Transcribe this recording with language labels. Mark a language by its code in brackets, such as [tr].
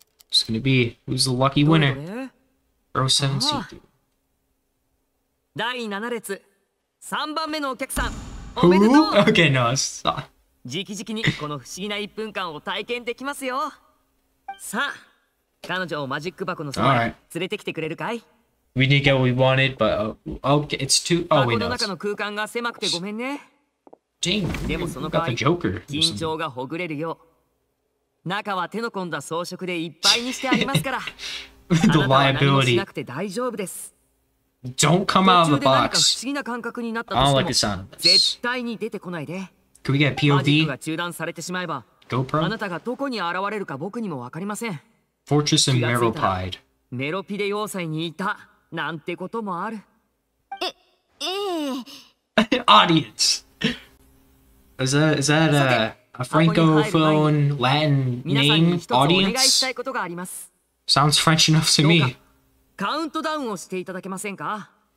[en] It's gonna be who's the lucky winner? Row [ja] 第7列3番目のお客さん、おめでとう。 [en] Okay, no, stop. [ja] じきじきにこの不思議な1分間を体験できますよ。さあ、彼女をマジック箱の側に連れてきてくれるかい？ [en] We didn't get what we wanted, but okay, it's too... Oh, wait, no. [ja] 箱の中の空間が狭くてごめんね。 [en] Dang, [ja] でもその代わり、緊張がほぐれるよう、中は手の込んだ装飾でいっぱいにしてありますから。 [en] The liability. [ja] あなたは何もしなくて大丈夫です。 [en] Don't come out of the box. [ja] 途中で何か不思議な感覚になったとしても絶対に出てこないで。 [en] Can we get POV? [ja] マジックが中断されてしまえば、 [en] GoPro? [ja] あなたがどこに現れるか僕にもわかりません。 [en] Fortress and Meropide. [ja] メロピデ要塞にいたなんてこともある。 [en] Audience. Is that a Franco phone Latin name audience? Sounds French enough to me [ja] カウントダウンをしていただけませんか？